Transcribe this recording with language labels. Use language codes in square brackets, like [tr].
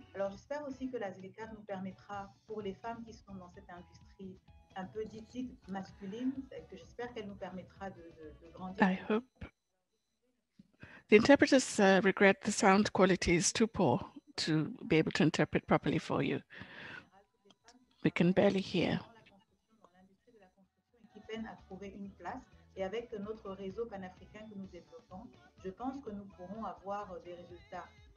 [fr] Alors j'espère aussi que l'ASLECAF nous permettra pour les femmes qui sont dans cette industrie un peu dite masculine, et que j'espère qu'elle nous permettra de grandir. [en] I hope. The interpreters regret the sound quality is too poor to be able to interpret properly for you. We can barely hear. [fr] Dans l'industrie de la construction et qui peine à trouver une place. Et avec notre réseau panafricain que nous développons, je pense que nous pourrons avoir des résultats.